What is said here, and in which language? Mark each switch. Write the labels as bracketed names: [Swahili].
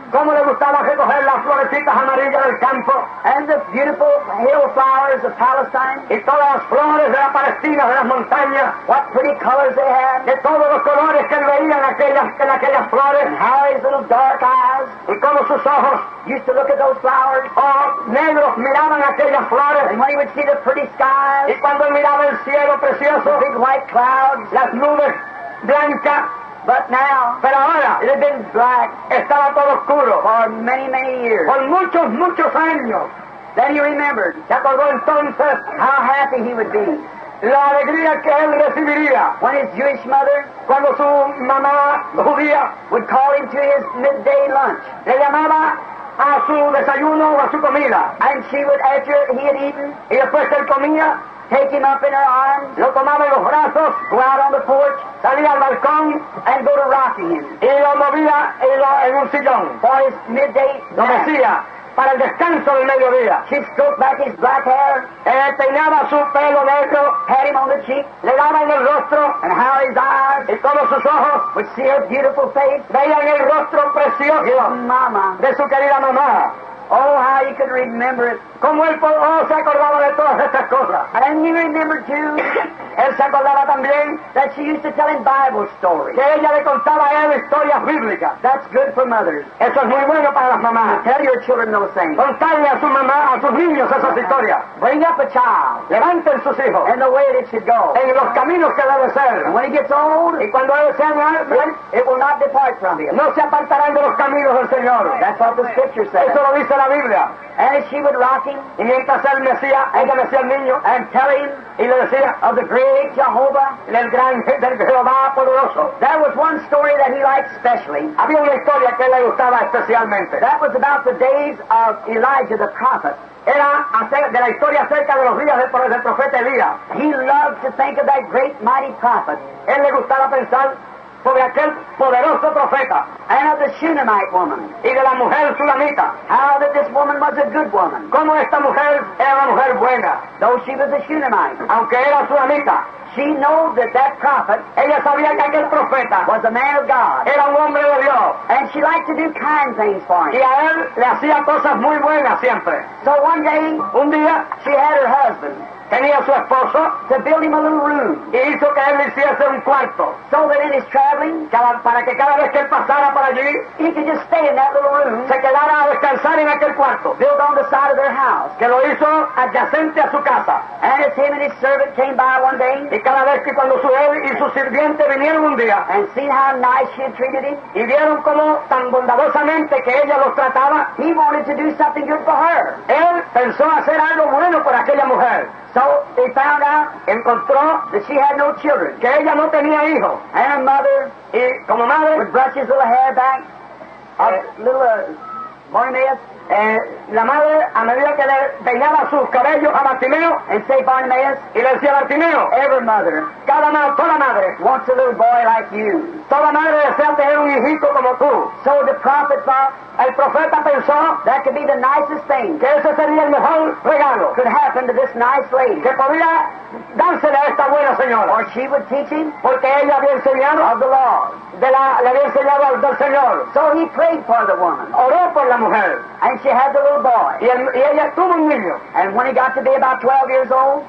[Spanish] Cómo le gustaba recoger las florecitas amarillas del campo. [English] And the beautiful hill flowers of Palestine. [Spanish] Y todas las flores de la Palestina, de las montañas. [English] What pretty colors they had. [Spanish] De todos los colores que veían aquellas flores. [English] And how his little dark eyes. [Spanish] Y cómo sus ojos. [English] Used to look at those flowers. [Spanish] Oh, negros miraban aquellas flores. [English] And when he would see the pretty skies. [Spanish] Y cuando miraba el cielo precioso. [English] The big white clouds. [Spanish] Las nubes blanca. [English] But now, [Spanish] pero ahora, [English] it had been black. [Spanish] Estaba todo oscuro. [English] For many, many years. [Spanish] Por muchos, muchos años. [English] Then he remembered. [Spanish] Se acordó entonces. [English] How happy he would be. [Spanish] La alegría que él recibiría. [English] When his Jewish mother, [Spanish] cuando su mamá judía, [English] would call him to his midday lunch. [Spanish] Le llamaba a su desayuno o a su comida. [English] And she would, after he had eaten, [Spanish] y después que él comía, [English] take him up in her arms, [Spanish] lo tomaba en los brazos, [English] go out on the porch, [Spanish] salía al balcón, [English] and go to rocking him. [Spanish] Y lo movía en un sillón. [English] For his midday [Spanish] lo mecía para el descanso del mediodía. [English] She stroked back his black hair, [Spanish] peinaba su pelo negro, [English] pat him on the cheek, [Spanish] le daba en el rostro, [English] and how his eyes, [Spanish] y todos sus ojos, [English] would see her beautiful face, [Spanish] veían el rostro precioso, [English] mama, [Spanish] de su querida mamá. [English] Oh, how he could remember it. [Spanish] Como él, oh, se acordaba de todas estas cosas. [English] And he remembered too. [Spanish] Él se acordaba también. [English] That she used to tell him Bible stories. [Spanish] Que ella le contaba a él historias bíblicas. [English] That's good for mothers. [Spanish] Eso es muy bueno para las mamás. [English] Tell your children those things. [Spanish] Contarle a su mamá, a sus niños esas historias. [English] Bring up a child. [Spanish] Levanten sus hijos. [English] And the way that it should go. [Spanish] En los caminos que debe ser. [English] And when he gets old. [Spanish] Y cuando él sea grande. [English] It will not depart from him. [Spanish] No se apartarán de los caminos del Señor. [English] That's what the scripture says. [Spanish] Eso lo dice la Biblia. [English] And she would rock him. [Spanish] Y mientras él mecía, ella mecía al niño. [English] And tell him. [Spanish] Y le decía, [English] of the great Jehovah. [Spanish] Del gran Jehová poderoso. [English] There was one story that he liked specially. [Spanish] Había una historia que le gustaba especialmente. [English] That was about the days of Elijah the prophet. [Spanish] Era de la historia acerca de los días del profeta Elías. [English] He loved to think of that great mighty prophet. [Spanish] Él le gustaba pensar sobre aquel poderoso profeta. [English] And of the Shunammite woman. [Spanish] Y de la mujer Shunamita. [English] How that this woman was a good woman. [Spanish] Como esta mujer era una mujer buena. [English] Though she was a Shunammite. [Spanish] Aunque era Shunamita. [English] She knew that that prophet. [Spanish] Ella sabía que aquel profeta. [English] Was a man of God. [Spanish] Era un hombre de Dios. [English] And she liked to do kind things for him. [Spanish] Y a él le hacía cosas muy buenas siempre. [English] So one day. [Spanish] Un día. [English] She had her husband. [Spanish] Tenía su esposo. [English] To build him a little room. [Spanish] Y hizo que él hiciese un cuarto. [English] So that in his traveling. [Spanish] Para que cada vez que él pasara por allí. [English] He could just stay in that little room. [Spanish] Se quedara a descansar en aquel cuarto. [English] Built on the side of their house. [Spanish] Que lo hizo adyacente a su casa. [English] And as him and his servant came by one day. [Spanish] Y cada vez que cuando él y su sirviente vinieron un día. [English] And seen how nice she had treated him. [Spanish] Y vieron cómo tan bondadosamente que ella los trataba. [English] He wanted to do something good for her. [Spanish] Él pensó hacer algo bueno por aquella mujer. [English] So he found out, [Spanish] encontró, [English] that she had no children. [Spanish] Que ella no tenía hijos. [English] And a mother, [Spanish] y como madre, [English] would brush his little hair back, a little Bartimaeus. [Spanish] La madre, a medida que le peinaba sus cabellos a Bartimeo, [English] and say Bartimaeus, [Spanish] y le decía Bartimeo, [English] every mother, [Spanish] toda madre, [English] wants a little boy like you. [Spanish] Toda madre desea tener un hijito como tú. [English] So the prophet thought, [Spanish] el profeta pensó, [English] that could be the nicest thing, [Spanish] que ese sería el mejor regalo, [English] could happen to this nice lady, [Spanish] que podría dársele a esta buena señora, [English] or she would teach him, [Spanish] porque ella había enseñado, [English] of the law, [Spanish] le había enseñado al del Señor. [English] So he prayed for the woman, [Spanish] oró por la mujer, [English] and she had the little boy, [Spanish] y ella tuvo un niño, [English] and when he got to be about 12 years old,